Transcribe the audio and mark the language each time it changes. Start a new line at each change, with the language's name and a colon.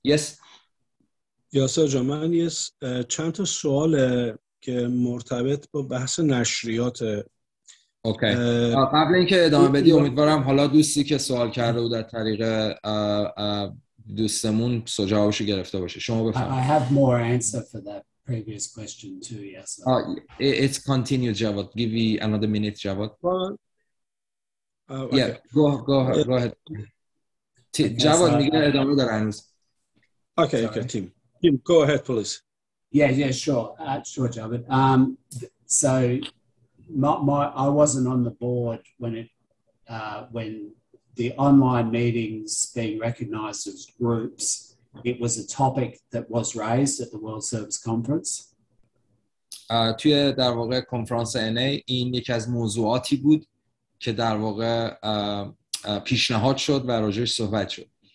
Persian: یاسر جان، من چند تا سوال که مرتبط با بحث نشریات. اوکی. قبل اینکه ادامه بدی امیدوارم حالا دوستی که سوال کرده بود در طریق دوستمون جوابشو گرفته باشه. شما بفرمایید.
English: I have more answer for that previous question too. Yes. It's continue Javad. Give me another minute Javad. Okay. Yeah, go ahead.
Persian: Javad میگه ادامه داره هنوز.
English: Okay, team. Go ahead please. Yeah, sure, Javid. So, I wasn't on the board when the online meetings being recognised as groups. It was a topic that was raised at the World Service Conference.
Persian: توی در واقع کنفرانس NA این یک از موضوعاتی بود که در واقع پیشنهاد شد و راجعش صحبت شد.